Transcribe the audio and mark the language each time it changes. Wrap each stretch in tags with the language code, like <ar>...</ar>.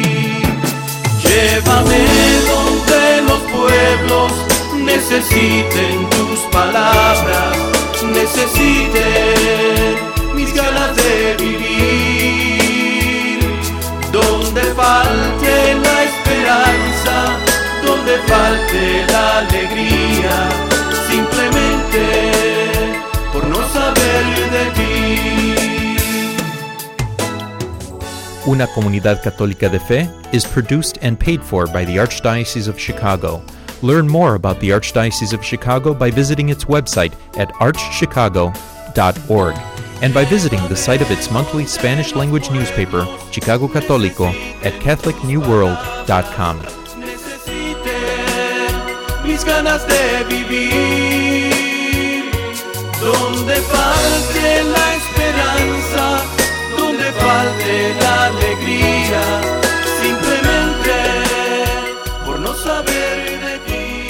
<es>Llévame donde los pueblos necesiten tus palabras, necesite mis ganas de vivir, donde falte la esperanza, donde falte la alegría, simplemente por no saber de ti.</es> <en>Una comunidad católica de fe is produced and paid for by the Archdiocese of Chicago. Learn more about the Archdiocese of Chicago by visiting its website at archchicago.org. And by visiting the site of its monthly Spanish language newspaper, Chicago Católico, at CatholicNewWorld.com.</en> <es>Necesite mis ganas de vivir, donde falte la esperanza, donde falte la alegría, simplemente por no saber de ti.</es>